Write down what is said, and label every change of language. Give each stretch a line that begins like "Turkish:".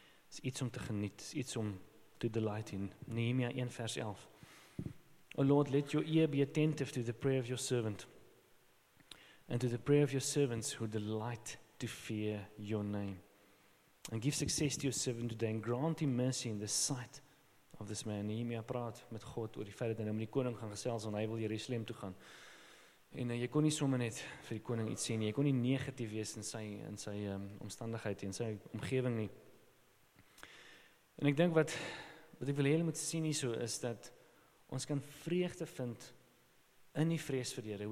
Afrikaans: Is iets om te geniet, is iets om
English: to delight in. Nehemia 1 vers 11. O Lord, let your ear be attentive to the prayer of your servant and to the prayer of your servants who delight to fear your name. And give success to your servant today and grant him mercy in the sight of this man.
Afrikaans: Nehemia praat met God oor die feit dat hy nou met die koning gaan gesels en hy wil Jerusalem toe gaan. En jy kon nie sommer net vir die koning iets sê nie. Jy kon nie negatief wees in sy omstandigheid en sy omgewing nie. En ek dink wat ek wil hê jy moet sien hierso is dat ons kan vreugde vind in die vrees vir die Here.